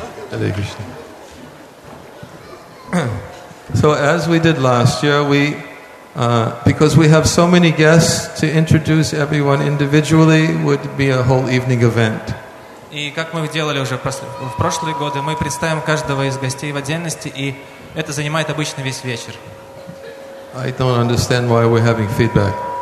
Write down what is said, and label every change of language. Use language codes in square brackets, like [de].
[en] Hare Krishna. So as we did last year, we because we have so many guests, to introduce everyone individually would be a whole evening event. [ru] И как мы делали уже в прошлые годы, мы представим каждого из гостей в отдельности, и это занимает обычно весь вечер. [en] I don't understand why we're having feedback.